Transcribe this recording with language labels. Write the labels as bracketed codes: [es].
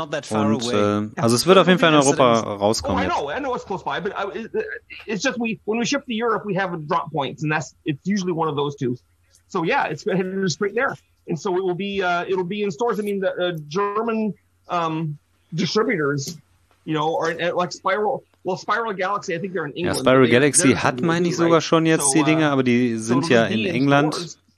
[de] Und also es wird auf jeden Fall in Europa rauskommen. [en] Oh, I know it's close by, but it's just when we ship to Europe, we have a drop points, and it's usually one of those two. So yeah, it's headed straight there, and so it'll be in stores. I mean, the German distributors, you know, are like Spiral. Well, Spiral Galaxy, I think they're in England. [de] Ja, Spiral Galaxy hat, meine ich, sogar schon jetzt die Dinger, aber die sind ja in England.